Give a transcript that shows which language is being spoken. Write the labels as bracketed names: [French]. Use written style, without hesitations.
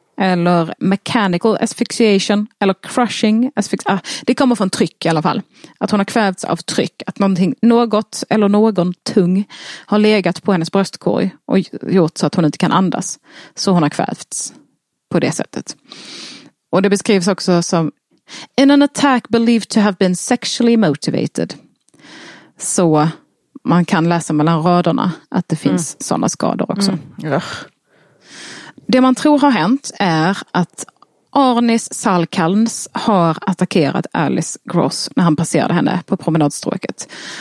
[Swedish] Eller [English] mechanical asphyxiation. Eller crushing asphyxia. [Swedish] Det kommer från tryck i alla fall. Att hon har kvävts av tryck. Att någonting, något eller någon tung har legat på hennes bröstkorg. Och gjort så att hon inte kan andas. Så hon har kvävts på det sättet. Och det beskrivs också som... [English] In an attack believed to have been sexually motivated. [Swedish] Så man kan läsa mellan raderna att det finns sådana skador också. Det man tror har hänt är att Arnis Salkalns har attackerat Alice Gross när han passerade henne på promenadstråket.